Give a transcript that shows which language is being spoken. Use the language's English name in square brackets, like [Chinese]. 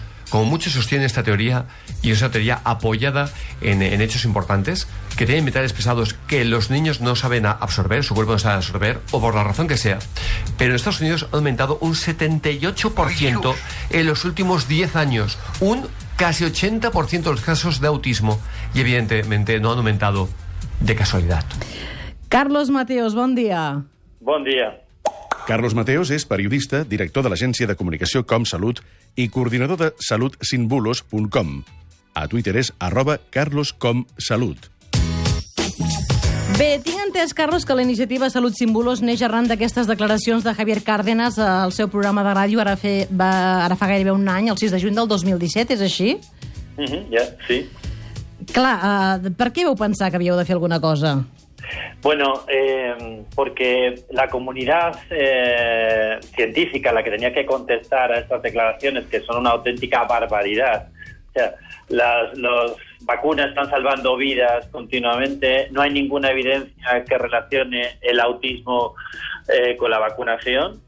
[Spanish] Como muchos sostienen esta teoría, y es una teoría apoyada en hechos importantes, que tienen metales pesados que los niños no saben absorber, su cuerpo no sabe absorber, o por la razón que sea. Pero en Estados Unidos ha aumentado un 78% en los últimos 10 años, un casi 80% de los casos de autismo, y evidentemente no han aumentado de casualidad. [Catalan] Carlos Mateos, bon dia. Bon dia. Carlos Mateos és periodista, director de l'agència de comunicació ComSalut i coordinador de salutsinbulos.com. A Twitter és @carloscomsalut. Bé, tinc entès, Carlos, que la iniciativa Salut Sin Bulos neix arran d'aquestes declaracions de Javier Cárdenas al seu programa de ràdio ara fa gairebé un any, el 6 de juny del 2017, és així? Sí. Clar, per què vau pensar que havíeu de fer alguna cosa? [Spanish] Bueno, porque la comunidad científica, la que tenía que contestar a estas declaraciones, que son una auténtica barbaridad, o sea, las vacunas están salvando vidas continuamente, no hay ninguna evidencia que relacione el autismo con la vacunación.